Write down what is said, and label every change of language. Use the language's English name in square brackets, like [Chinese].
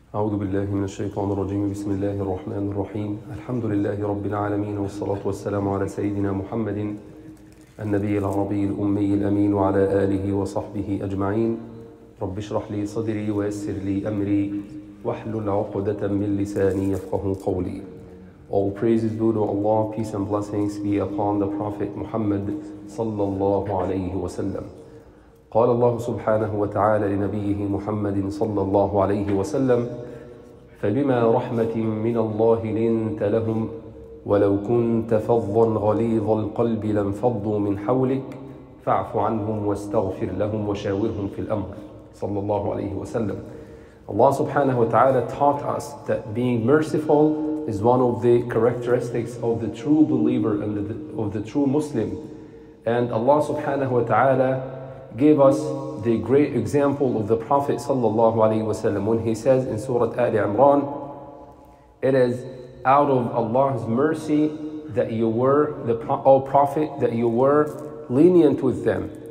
[Arabic] أعوذ بالله من الشيطان الرجيم بسم الله الرحمن الرحيم الحمد لله رب العالمين والصلاة والسلام على سيدنا محمد النبي العربي الأمي الأمين وعلى آله وصحبه أجمعين رب اشرح لي صدري ويسر لي أمري واحلل عقدة من لساني يفقه قولي. [English] All praises due to Allah, peace and blessings be upon the Prophet Muhammad [Arabic] صلى الله عليه وسلم. قال الله سبحانه وتعالى لنبيه محمد صلى الله عليه وسلم فبما رحمة من الله لنت لهم ولو كنت فظا غليظ القلب لانفضوا من حولك فاعف عنهم واستغفر لهم وشاورهم في الأمر صلى الله عليه وسلم. [English] Allah [Arabic] subhanahu wa ta'ala [English] taught us that being merciful is one of the characteristics of the true believer and of the true Muslim. And Allah [Arabic] subhanahu wa ta'ala [English] gave us the great example of the Prophet [Arabic] sallallahu alaihi wasallam [English] when he says in Surah Ali Imran, it is out of Allah's mercy that you were, O Prophet, that you were lenient with them.